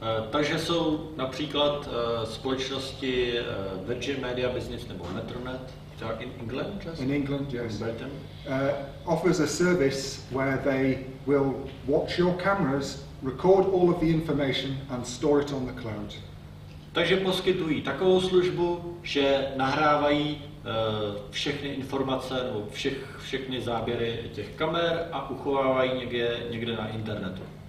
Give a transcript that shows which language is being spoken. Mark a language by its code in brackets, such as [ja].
[cs] Takže jsou například společnosti Virgin Media Business nebo Metronet, [en] which are in England, just? In England, yes. In Britain. Offers a service where they will watch your cameras, record all of the information and store it on the cloud. [cs] Takže poskytují takovou službu, že nahrávají všechny informace nebo všechny záběry těch kamer a uchovávají někde na internetu.